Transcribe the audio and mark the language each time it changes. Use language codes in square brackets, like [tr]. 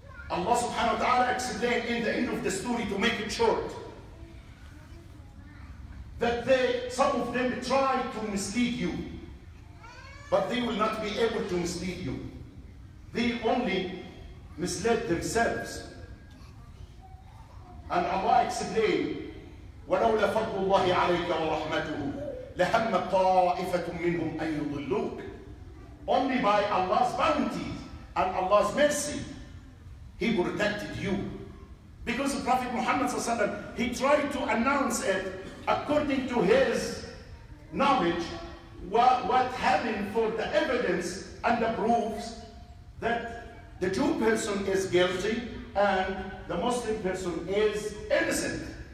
[en] Allah subhanahu wa ta'ala explained in the end of the story, to make it short, that some of them try to mislead you, but they will not be able to mislead you. They only misled themselves. And Allah explained, [ar] وَلَوْلَ فَضْلُ اللَّهِ عَلَيْكَ وَرَحْمَتُهُ لَهَمَّ طَائِفَةٌ مِّنْهُمْ أَنْ يُضِلُّوكَ. [en] Only by Allah's bounty and Allah's mercy, He protected you. Because the Prophet Muhammad ﷺ, he tried to announce it according to his knowledge, what happened for the evidence and the proofs that the Jew person is guilty and the Muslim person is innocent.